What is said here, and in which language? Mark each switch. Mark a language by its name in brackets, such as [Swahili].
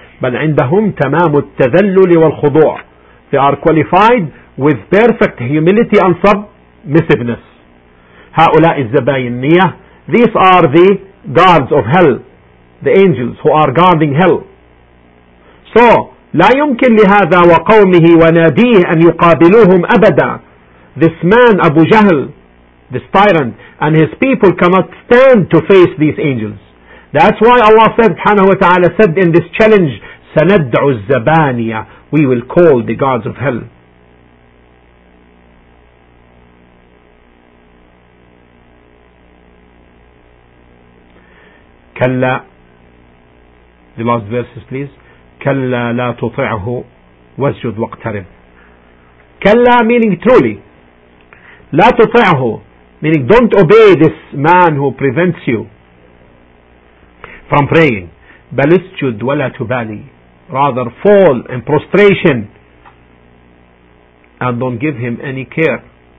[Arabic] بَلْ عِنْدَهُمْ تَمَامُ التَّذَلُّلِ وَالْخُضُوعِ. [English] They are qualified with perfect humility and submissiveness. [Arabic] هَؤُلَاءِ الزَّبَايِنِّيَةِ. [English] These are the guards of hell, the angels who are guarding hell. [Arabic] So لا يمكن لهذا وقومه وناديه أن يقابلوهم أبدا. [English] This man Abu Jahl, this tyrant, and his people cannot stand to face these angels. That's why Allah said, subhanahu wa ta'ala said in this challenge, [Arabic] سندعو الزبانية, [English] we will call the gods of hell. كلا, the last verses please. [Arabic] كلا لا تطعه واسجد واقترب. [English] كلا meaning truly, [Arabic] لا تطعه [English] meaning don't obey this man who prevents you from praying. [Arabic] بل اسجد ولا تبالي, [English] rather fall in prostration and don't give him any care.